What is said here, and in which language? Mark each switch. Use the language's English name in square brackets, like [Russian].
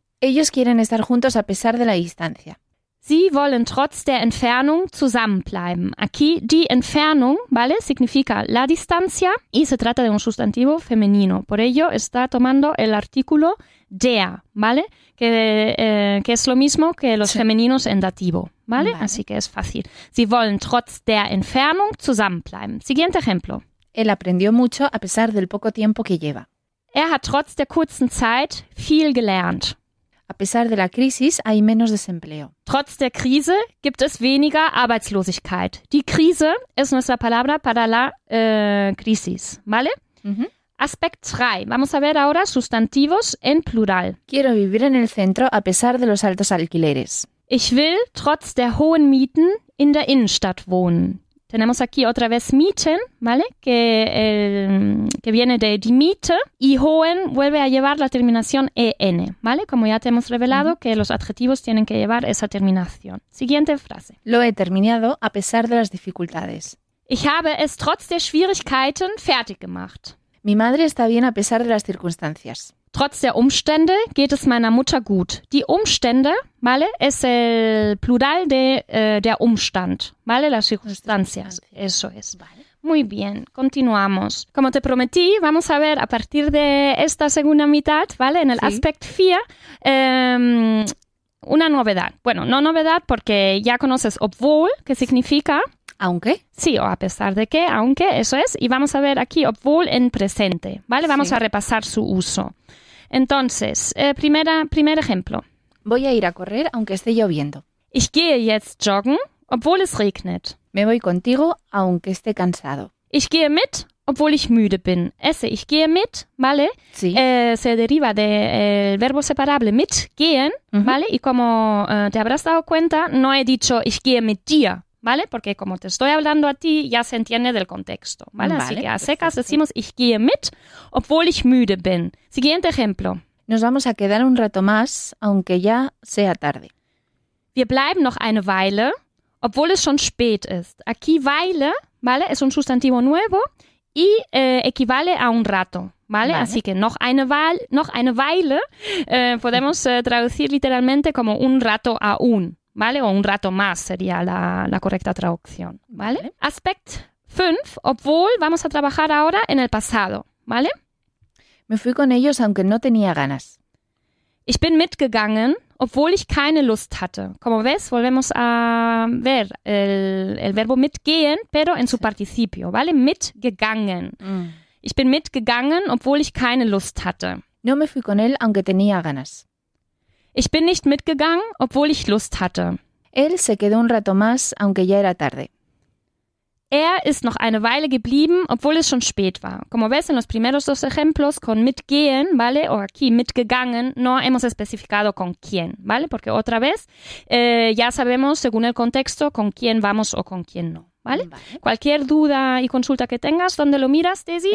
[Spanish] Ellos quieren estar juntos a pesar de la distancia. [German] Sie wollen trotz der Entfernung zusammenbleiben. [Spanish] Aquí, [German] die Entfernung, [Spanish] ¿vale? Significa la distancia y se trata de un sustantivo femenino. Por ello, está tomando el artículo der, ¿vale? Que es lo mismo que los sí. femeninos en dativo, ¿vale? ¿Vale? Así que es fácil. [German] Sie wollen trotz der Entfernung zusammenbleiben. [Spanish] Siguiente ejemplo. Él aprendió mucho a pesar del poco tiempo que lleva. [German] Er hat trotz der kurzen Zeit viel gelernt. [Spanish] A pesar de la crisis hay menos desempleo. [German] Trotz der Krise gibt es weniger Arbeitslosigkeit. [Spanish] Die Krise es nuestra palabra para la crisis, ¿vale? Mm-hmm. [English] Aspect 3. [Spanish] Vamos a ver ahora sustantivos en plural. Quiero vivir en el centro a pesar de los altos alquileres. [German] Ich will trotz der hohen Mieten in der Innenstadt wohnen. [Spanish] Tenemos aquí otra vez Mieten, ¿vale? Que viene de die Miete y hohen vuelve a llevar la terminación en, ¿vale? Como ya te hemos revelado que los adjetivos tienen que llevar esa terminación. Siguiente frase. Lo he terminado a pesar de las dificultades. [German] Ich habe es trotz der Schwierigkeiten fertig gemacht. [Spanish] Mi madre está bien a pesar de las circunstancias. [German] Trotz der Umstände geht es meiner Mutter gut. Die Umstände, ¿vale? [Spanish] Es el plural de der Umstand, ¿vale? Las circunstancias. Eso es. Vale. Muy bien, continuamos. Como te prometí, vamos a ver a partir de esta segunda mitad, ¿vale? En el sí. aspect 4, una novedad. Bueno, no novedad porque ya conoces obwohl, que significa... ¿Aunque? Sí, o a pesar de que, aunque, eso es. Y vamos a ver aquí, obwohl en presente, ¿vale? Vamos sí. a repasar su uso. Entonces, primer ejemplo. Voy a ir a correr, aunque esté lloviendo. [German] Ich gehe jetzt joggen, obwohl es regnet. [Spanish] Me voy contigo, aunque esté cansado. [German] Ich gehe mit, obwohl ich müde bin. [Spanish] Ese [German] ich gehe mit, ¿vale? [Spanish] Sí. Se deriva del verbo separable mit, gehen, uh-huh. ¿vale? Y como te habrás dado cuenta, no he dicho [German] ich gehe mit dir, [Spanish] ¿vale? Porque como te estoy hablando a ti, ya se entiende del contexto, ¿vale? Vale, así que a secas decimos, [German] ich gehe mit, obwohl ich müde bin. [Spanish] Siguiente ejemplo. Nos vamos a quedar un rato más, aunque ya sea tarde. [German] Wir bleiben noch eine Weile, obwohl es schon spät ist. [Spanish] Aquí, Weile, ¿vale? Es un sustantivo nuevo y equivale a un rato, ¿vale? Vale. Así que [German] noch eine Weile [Spanish] podemos traducir literalmente como un rato aún. ¿Vale? O un rato más sería la correcta traducción, ¿vale? Vale. Aspect 5, obwohl, vamos a trabajar ahora en el pasado, ¿vale? Me fui con ellos aunque no tenía ganas. [German] Ich bin mitgegangen, obwohl ich keine Lust hatte. [Spanish] Como ves, volvemos a ver el verbo mitgehen, pero en su sí. participio, ¿vale? Mitgegangen. Mm. [German] Ich bin mitgegangen, obwohl ich keine Lust hatte. [Spanish] No me fui con él aunque tenía ganas. [German] Ich bin nicht mitgegangen, obwohl ich Lust hatte. [Spanish] Él se quedó un rato más, aunque ya era tarde. [German] Er ist noch eine Weile geblieben, obwohl es schon spät war. [Spanish] Como ves en los primeros dos ejemplos, con mitgehen, ¿vale? O aquí, mitgegangen, no hemos especificado con quién, ¿vale? Porque otra vez, ya sabemos, según el contexto, con quién vamos o con quién no, ¿vale? Vale. Cualquier duda y consulta que tengas, ¿dónde lo miras, Daisy?